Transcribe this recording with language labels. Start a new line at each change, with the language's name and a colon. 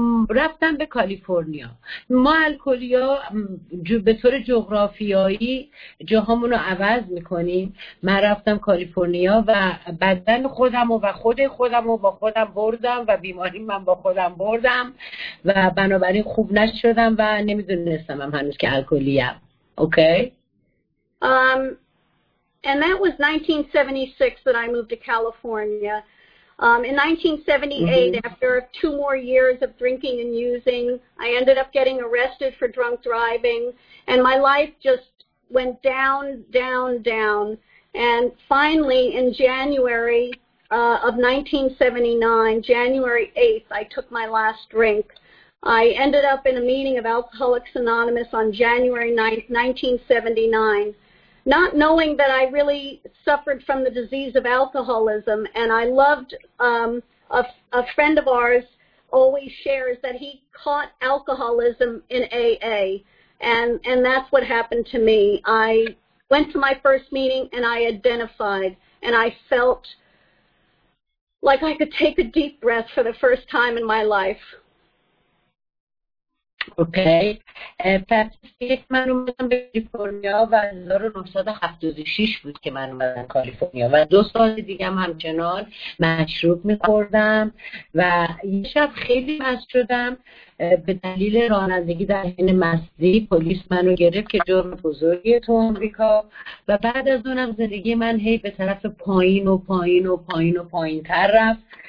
Persian: رفتم به کالیفرنیا. ما الکلی ها به طور جغرافیایی جاهامونو عوض میکنیم. من رفتم کالیفرنیا و بدن خودم و خودم رو با خودم بردم و بیماری من با خودم بردم و بنابراین خوب نشدم و نمیدونستم هم هنوز که الکلیم. اوکی.
English: And that was 1976 that I moved to California. In 1978, mm-hmm. after two more years of drinking and using, I ended up getting arrested for drunk driving, and my life just went down, down, down. And finally, in January of 1979, January 8th, I took my last drink. I ended up in a meeting of Alcoholics Anonymous on January 9th, 1979. Not knowing that I really suffered from the disease of alcoholism, and I loved a friend of ours always shares that he caught alcoholism in AA, and that's what happened to me. I went to my first meeting, and I identified, and I felt like I could take a deep breath for the first time in my life.
Persian: اوکی پس یک من اومدم به کالیفرنیا و 1976 بود که من اومدم کالیفرنیا و دو سال دیگه هم همچنان مشروب می‌خوردم و یه شب خیلی مست شدم به دلیل رانندگی در حین مستی پلیس منو گرفت که جرم بزرگیه تو آمریکا و بعد از اونم زندگی من هی به طرف پایین و پایین و پایین و پایین تر رفت